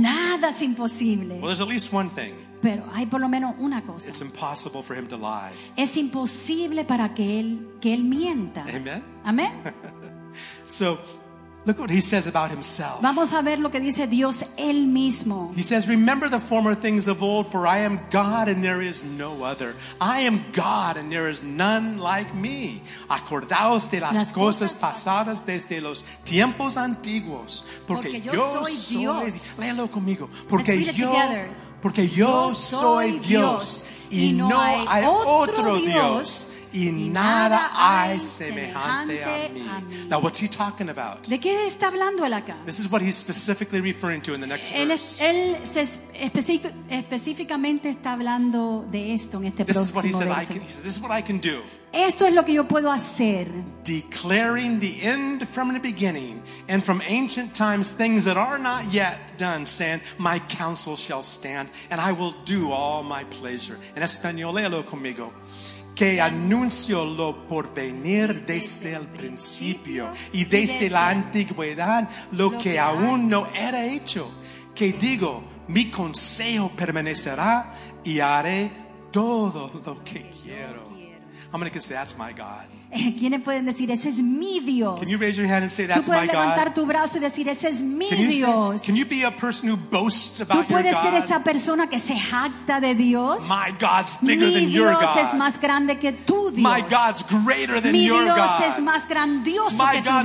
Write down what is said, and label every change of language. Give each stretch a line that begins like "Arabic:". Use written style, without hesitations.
Spanish: Nada es imposible.
English: Well, there's at least one thing.
Spanish: Pero hay por lo menos una cosa.
English: It's impossible for him to lie.
Spanish: Es imposible para que él mienta.
English: Amen.
Spanish: Amen.
English: So, look what he says about himself.
Spanish: Vamos a ver lo que dice Dios él mismo.
English: He says, "Remember the former things of old, for I am God and there is no other. I am God and there is none like me.
Spanish: Acordaos de las cosas pasadas desde los tiempos antiguos, porque yo soy Dios. Léalo conmigo. Porque yo soy Dios y no hay otro Dios. Y nada hay semejante a mí."
English: Now, what's he talking about?
Spanish: ¿De qué está hablando él acá?
English: This is what he's specifically referring to in the next verse.
Spanish: Él específicamente está hablando de esto en este próximo verso.
English: This is what I can do.
Spanish: Esto es lo que yo puedo hacer.
English: Declaring the end from the beginning and from ancient times things that are not yet done, saying, "My counsel shall stand and I will do all my pleasure."
Spanish: En español, léalo conmigo. Que anuncio lo porvenir desde el principio y desde la antigüedad lo que aún no era hecho. Que digo, mi consejo permanecerá y haré todo lo que quiero.
English: How many can say, "That's my God"?
Spanish: ¿Quiénes pueden decir, "Ese es mi Dios"?
English: Can you raise your hand and say, "That's my God"?
Spanish: Tú puedes levantar tu brazo y decir, "Ese es mi Dios"?
English: Can you be a person who boasts about your God?
Spanish: Tú puedes ser esa persona que se jacta de Dios.
English: My God's bigger than your God.
Spanish: Mi Dios es más grande que tu Dios.
English: My God's greater than your God.
Spanish: Mi Dios es más grandioso que tu Dios.